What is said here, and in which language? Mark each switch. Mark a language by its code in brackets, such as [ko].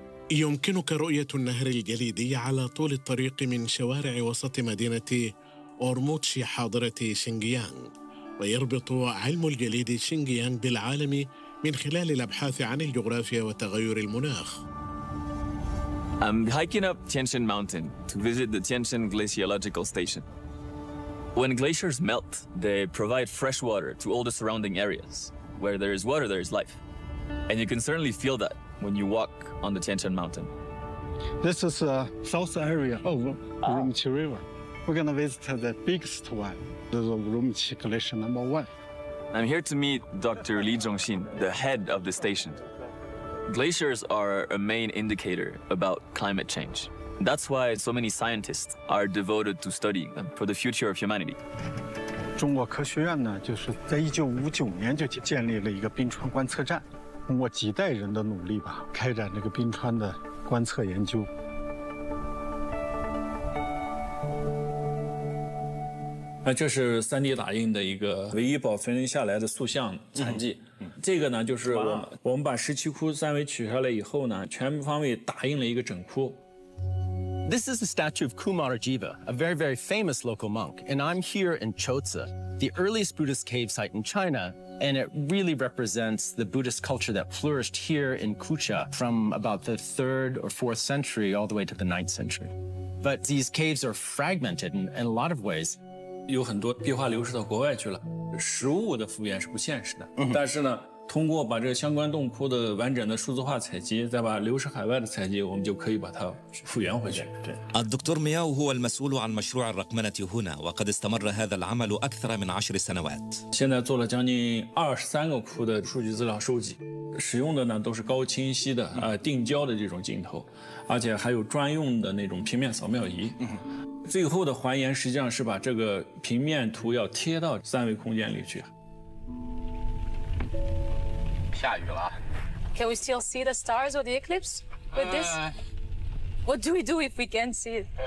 [ar] يمكنك رؤية النهر الجليدي على طول الطريق من شوارع وسط مدينة أورموتشي حاضرة شينجيان. ويربط علم الجليد شينجيان بالعالم من خلال الأبحاث عن الجغرافيا وتغير المناخ. [en] I'm hiking up Tianshan Mountain to visit the Tianshan Glaciological Station. When glaciers melt, they provide fresh water to all the surrounding areas. Where there is water, there is life. And you can certainly feel that when you walk on the Tianshan Mountain. This is the south area of Urumqi River. We're going to visit the biggest one. The Urumqi Glacier number one. I'm here to meet Dr. Li Zhongxin, the head of the station. Glaciers are a main indicator about climate change. That's why so many scientists are devoted to studying them for the future of humanity. [zh] 中国科学院呢，就是在1959年就建立了一个冰川观测站，通过几代人的努力吧，开展这个冰川的观测研究。那这是 3D 打印的一个唯一保存下来的塑像残迹，这个呢就是我们把17窟三维取下来以后呢，全方位打印了一个整窟。 [en] This is the statue of Kumar Ajiva, a very very famous local monk, and I'm here in Chota, the earliest Buddhist cave site in China, and it really represents the Buddhist culture that flourished here in Kucha from about the 3rd or 4th century all the way to the 9th century. But these caves are fragmented in a lot of ways. [zh] 有很多壁画流失到国外去了，实物的复原是不现实的。但是呢，通过把这个相关洞窟的完整的数字化采集，再把流失海外的采集，我们就可以把它复原回去。 [ar] الدكتور مياو هو المسؤول عن مشروع الرقمنة هنا، وقد استمر هذا العمل أكثر من 10 سنوات. [zh] 现在做了将近23个窟的数据资料收集，使用的呢都是高清晰的定焦的这种镜头，而且还有专用的那种平面扫描仪。最后的还原实际上是把这个平面图要贴到三维空间里去。下雨了。 [en] Can we still see the stars or the eclipse with this? What do we do if we can't see it?